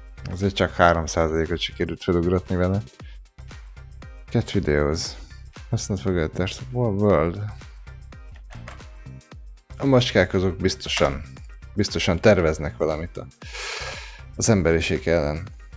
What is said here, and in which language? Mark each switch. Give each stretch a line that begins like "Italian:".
Hungarian: Azért csak 3%-ot sikerült felugratni vele.
English: Catch videos. Let's not forget there's a whole world.
Hungarian: A macskák azok biztosan, biztosan terveznek valamit az emberiség ellen.